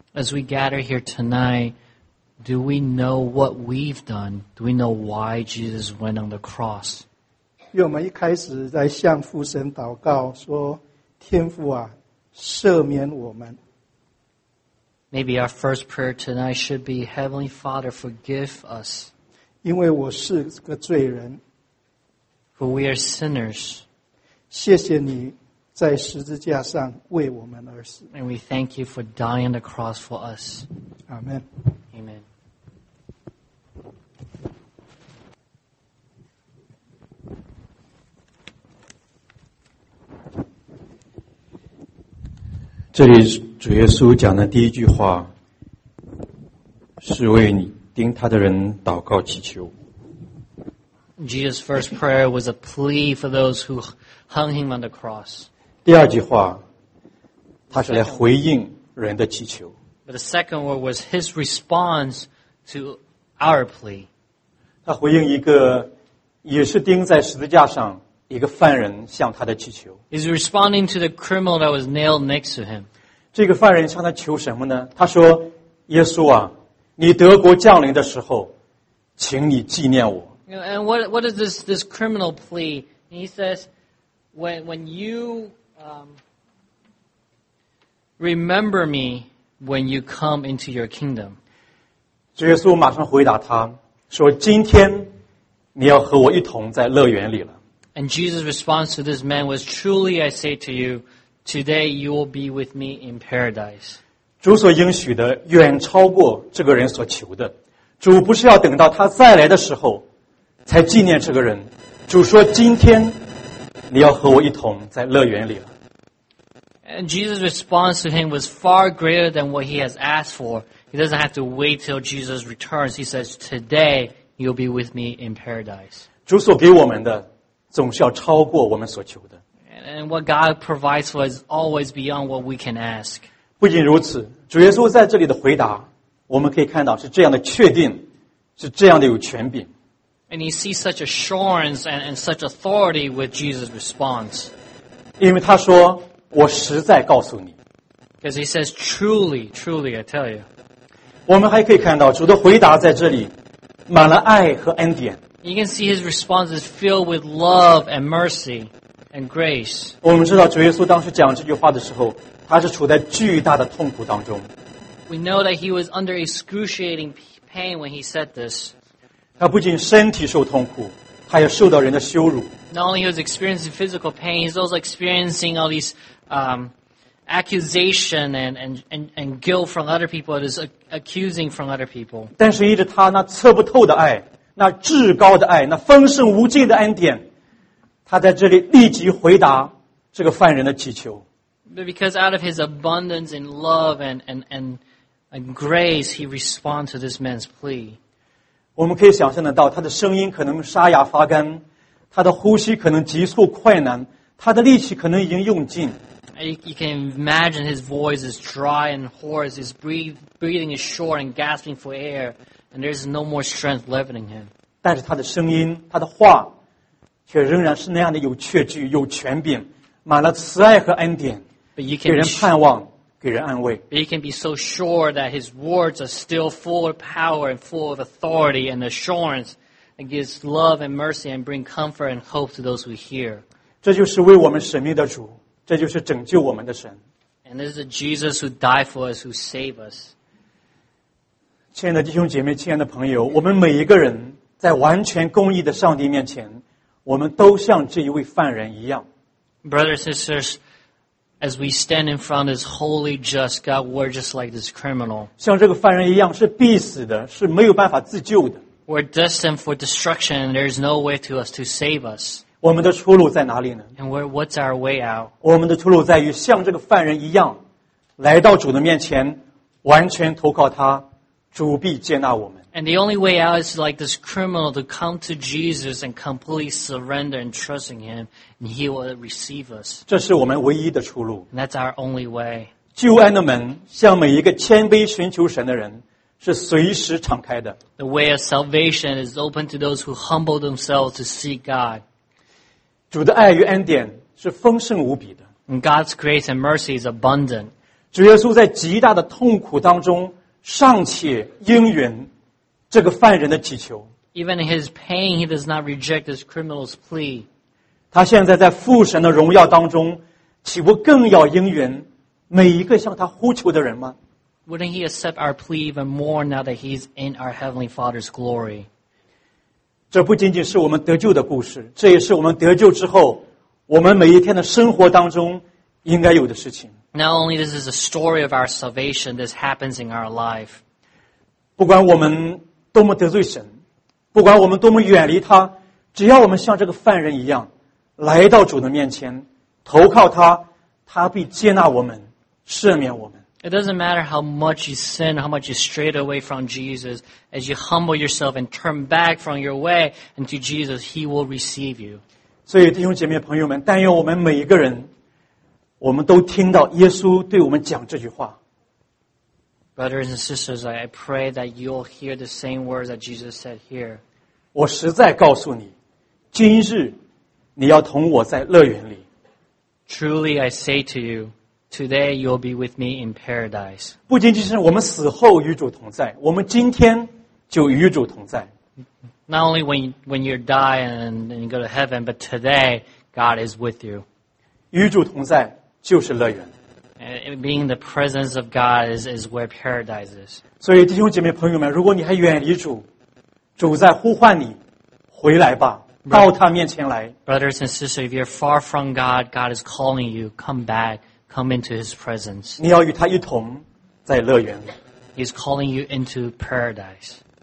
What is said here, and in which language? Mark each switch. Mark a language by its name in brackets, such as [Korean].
[English] As we gather here tonight, do we know what we've done? Do we know why Jesus went on the cross? [Chinese] 因为我们一开始在向父神祷告说，天父啊，赦免我们。 [English] Maybe our first prayer tonight should be, Heavenly Father, forgive us. [Chinese] 因为我是个罪人。 [English] For we are sinners. [Chinese] 谢谢你在十字架上为我们而死。 [English] And we thank you for dying on the cross for us. Amen. Amen. [Chinese] Here, Jesus 讲的第一句话是为你钉他的人祷告祈求。 [English] Jesus' first prayer was a plea for those who hung him on the cross. [Chinese] 第二句话，他是来回应人的祈求。 [English] But the second word was his response to our plea. [Chinese] 他回应一个也是钉在十字架上。一个犯人向他的祈求。 [English] He's responding to the criminal that was nailed next to him. [Chinese] 这个犯人向他求什么呢？他说：“耶稣啊，你德国降临的时候，请你纪念我。” [English] And what is this criminal plea? And he says, when you remember me when you come into your kingdom. [Chinese] 主耶稣马上回答他说：“今天你要和我一同在乐园里了。” [English] And Jesus' response to this man was, Truly I say to you, today you will be with me in paradise. [Chinese] 主所应许的远超过这个人所求的。主不是要等到他再来的时候才纪念这个人。主说今天你要和我一同在乐园里了。 [English] And Jesus' response to him was far greater than what he has asked for. He doesn't have to wait till Jesus returns. He says, today you'll be with me in paradise. [Chinese] 主所给我们的总是要超过我们所求的。 [English] And what God provides for is always beyond what we can ask. [Chinese] 不仅如此，主耶稣在这里的回答，我们可以看到是这样的确定，是这样的有权柄。 [English] And you see such assurance and such authority with Jesus' response. [Chinese] 因为他说，我实在告诉你。 [English] Because he says, truly, truly, I tell you. [Chinese] 我们还可以看到主的回答在这里，满了爱和恩典。 [English] You can see his response is filled with love and mercy and grace. [Chinese] 我们知道主耶稣当时讲这句话的时候，他是处在巨大的痛苦当中。 [English] We know that he was under excruciating pain when he said this. [Chinese] 他不仅身体受痛苦，他也受到人的羞辱。 [English] Not only he was experiencing physical pain, he's also experiencing all these accusation and guilt from other people. It is accusing from other people. [Chinese] 但是依着他那测不透的爱。那至高的爱，那丰盛无尽的恩典，他在这里立即回答这个犯人的祈求。 [English] But because out of his abundance in love and grace, he responds to this man's plea. [Chinese] 我们可以想象得到，他的声音可能沙哑发干，他的呼吸可能急促困难，他的力气可能已经用尽。 [English] You can imagine his voice is dry and hoarse, his breathing is short and gasping for air. And there's no more strength left in him. [Chinese] 但是他的声音，他的话，却仍然是那样的有确据、有权柄，满了慈爱和恩典，给人盼望，给人安慰。 [English] But you can be so sure that his words are still full of power and full of authority and assurance, and gives love and mercy and bring comfort and hope to those who hear. [Chinese] 这就是为我们舍命的主，这就是拯救我们的神。 [English] And this is the Jesus who died for us, who saved us. [Chinese] 亲爱的弟兄姐妹，亲爱的朋友，我们每一个人在完全公义的上帝面前，我们都像这一位犯人一样。 [English] Brothers and sisters, as we stand in front of this holy, just God, we're just like this criminal. [Chinese] 像这个犯人一样，是必死的，是没有办法自救的。 [English] We're destined for destruction, and there's no way to us to save us. [Chinese] 我们的出路在哪里呢？ [English] And what's our way out? [Chinese] 我们的出路在于像这个犯人一样，来到主的面前，完全投靠他。主必接纳我们。 [English] And the only way out is like this criminal to come to Jesus and completely surrender and trust in Him, and He will receive us. [Chinese] 这是我们唯一的出路。 [English] And that's our only way. [Chinese] 救恩的门向每一个谦卑寻求神的人是随时敞开的。 [English] The way of salvation is open to those who humble themselves to seek God. [Chinese] 主的爱与恩典是丰盛无比的。 [English] And God's grace and mercy is abundant. [Chinese] 主耶稣在极大的痛苦当中尚且应允这个犯人的祈求。 [English] Even in his pain, he does not reject this criminal's plea. [Chinese] 他现在在父神的荣耀当中，岂不更要应允每一个向他呼求的人吗？ [English] Wouldn't he accept our plea even more now that he's in our Heavenly Father's glory? [Chinese] 这不仅仅是我们得救的故事，这也是我们得救之后，我们每一天的生活当中应该有的事情。 [English] Not only this is a story of our salvation, this happens in our life. [Chinese] 不管我们多么得罪神，不管我们多么远离他，只要我们像这个犯人一样，来到主的面前，投靠他，他必接纳我们，赦免我们。 [English] It doesn't matter how much you sin, how much you strayed away from Jesus. As you humble yourself and turn back from your way and to Jesus, He will receive you. [Chinese] 所以弟兄姐妹朋友们，但愿我们每一个人，我们都听到耶稣对我们讲这句话。 [English] Brothers and sisters, I pray that you'll hear the same words that Jesus said here. [Chinese] 我实在告诉你，今日你要同我在乐园里。 [English] Truly, I say to you,Today you'll be with me in paradise. [Chinese] 不仅仅是我们死后与主同在，我们今天就与主同在。 [English] Not only when you die and you go to heaven, but today God is with you. [Chinese] 与主同在就是乐园。 [English] Being the presence of God is where paradise is. [Chinese] 所以弟兄姐妹朋友们，如果你还远离主，主在呼唤你，回来吧，到他面前来。 [English] Brothers and sisters, if you're far from God, God is calling you, come back. Come into His presence. [Chinese] 你要与他一同在乐园。 [English] He's calling you into paradise.